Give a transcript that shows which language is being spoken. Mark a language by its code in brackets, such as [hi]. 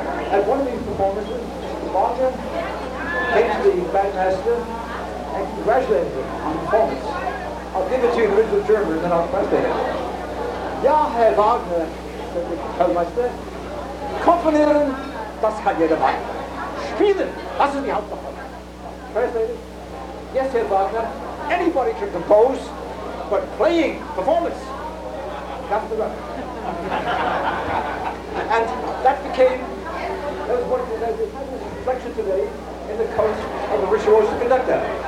[en] At one of these performances, Wagner came to the bandmaster and congratulated him on the performance. I'll give it to you in original German and then I'll translate it. [de] Ja, Herr Wagner, [en] said the Kellmeister, [de] komponieren, das kann jeder machen. Spielen, das ist die Hauptsache. [en] Translated, yes, Herr Wagner, anybody can compose, but playing, performance, that's the right. And that became, that was one of the reflection today in the coach of the virtuoso conductor.